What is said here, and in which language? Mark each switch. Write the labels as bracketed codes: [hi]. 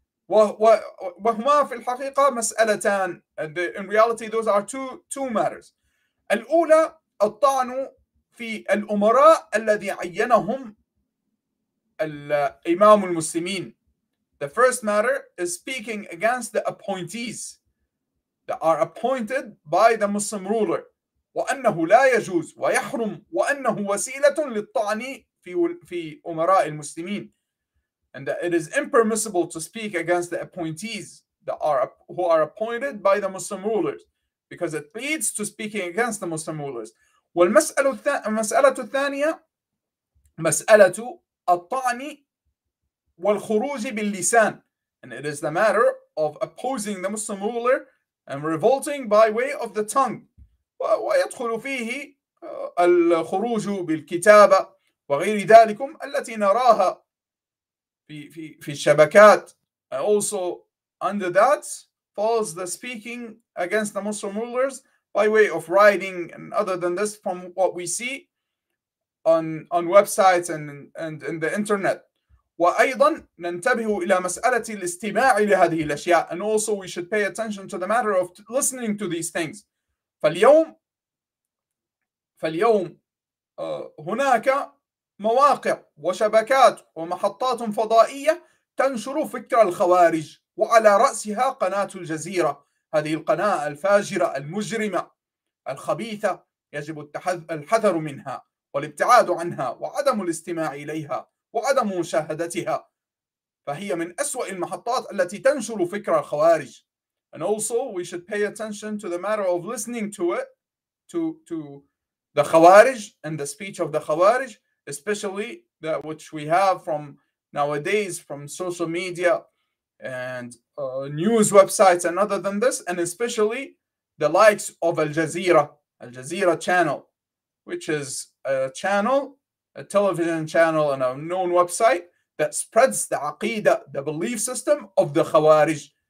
[ar] وهما في الحقيقة مسألتان. [en] In reality, those are two matters. [ar] الأولى الطعن في الأمراء الذي عينهم الإمام المسلمين. [en] The first matter is speaking against the appointees that are appointed by the Muslim ruler. [ar] وأنه لا يجوز ويحرم وأنه وسيلة للطعن في أمراء المسلمين. [en] And that it is impermissible to speak against the appointees who are appointed by the Muslim rulers, because it leads to speaking against the Muslim rulers. [ar] والمسألة الثانية مسألة الطعن والخروج باللسان. [en] And it is the matter of opposing the Muslim ruler and revolting by way of the tongue. [ar] ويدخل فيه الخروج بالكتابة وغير ذلكم التي نراها في الشبكات. [en] Also under that falls the speaking against the Muslim rulers by way of writing, and other than this, from what we see on websites and in the internet. [ar] وأيضا ننتبه إلى مسألة الاستماع لهذه الأشياء. [en] And also we should pay attention to the matter of listening to these things. [ar] فاليوم هناك مواقع وشبكات ومحطات فضائية تنشر فكر الخوارج وعلى رأسها قناة الجزيرة، هذه القناة الفاجرة المجرمة الخبيثة، يجب الحذر منها والابتعاد عنها وعدم الاستماع إليها وعدم مشاهدتها، فهي من أسوأ المحطات التي تنشر فكر الخوارج. [en] And also we should pay attention to the matter of listening to it, to the khawarij and the speech of the khawarij, especially that which we have from nowadays from social media and news websites and other than this, and especially the likes of Al Jazeera channel, which is a television channel and a known website that spreads the aqidah, the belief system of the khawarij.